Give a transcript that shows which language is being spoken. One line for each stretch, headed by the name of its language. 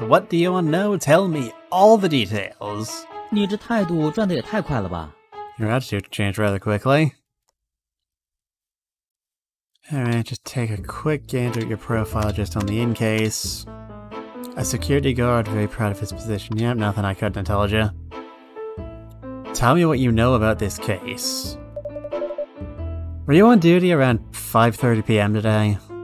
English: What do you want to know? Tell me all the details.
Chinese: 你这态度转得也太快了吧?
English: Your attitude changed rather quickly. Alright, just take a quick gander at your profile just on the in case. A security guard, very proud of his position. Yep, nothing I couldn't have told you. Tell me what you know about this case. Were you on duty around 5:30 p.m. today?